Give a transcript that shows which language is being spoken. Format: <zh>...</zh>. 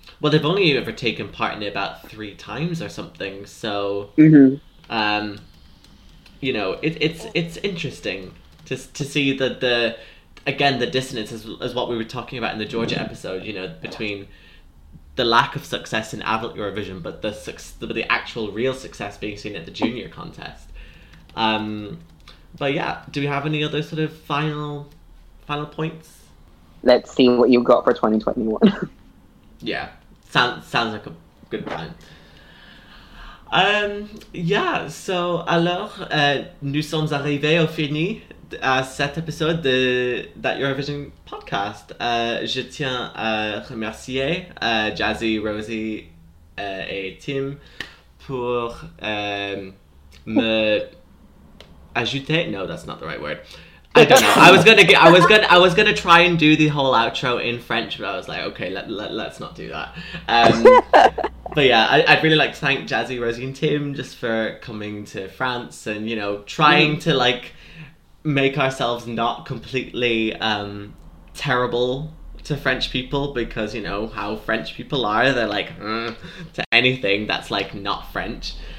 <en>Well, they've only ever taken part in it about 3 times or something, so, you know, it's interesting to see that the dissonance is what we were talking about in the Georgia episode, you know, between the lack of success in adult Eurovision, but the actual real success being seen at the junior contest. But yeah, do we have any other sort of final points? Let's see what you've got for 2021. Yeah, sounds like a good plan. Yeah, so</en> <fr>alors, nous sommes arrivés au fini à cet épisode de That Eurovision podcast. Je tiens à remercier Jazzy, Rosie et Tim pour me... Ajouter?</fr> <en>No, that's not the right word. I don't know. I was gonna try and do the whole outro in French, but I was like, okay, let's not do that. But yeah, I'd really like to thank Jazzy, Rosie, and Tim just for coming to France and, you know, trying to, like, make ourselves not completely terrible to French people, because, you know, how French people are, they're like, to anything that's, like, not French.</en>